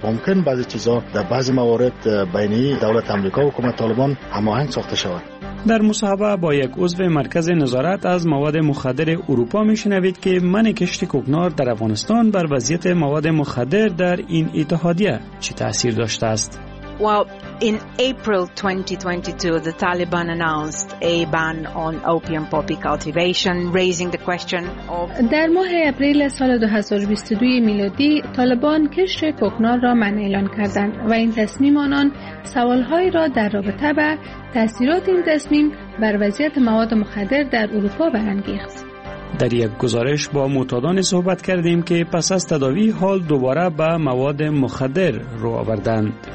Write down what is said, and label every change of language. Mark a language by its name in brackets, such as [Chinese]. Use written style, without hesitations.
[Persian] ممکن بعضی چیزا در بعضی موارد بین دولت آمریکا و حکومت طالبان هماهنگ ساخته شود. در مصاحبه با یک عضو مرکز نظارت از مواد مخدر اروپا میشنوید که منع کشت کوکنار در افغانستان بر وضعیت مواد مخدر در این اتحادیه چه تأثیر داشته است. [English] Well, in April 2022, the Taliban announced a ban on opium poppy cultivation, raising the question of. [Persian] در ماه اپریل سال 2022 میلادی، طالبان کشت کوکنار را منع اعلان کردند و این تصمیم آنان سوالهای را در رابطه با تأثیرات این تصمیم بر وضعیت مواد مخدر در اروپا برانگیخت. در یک گزارش با معتادان صحبت کردیم که پس از تداوی حال دوباره به مواد مخدر رو آوردند.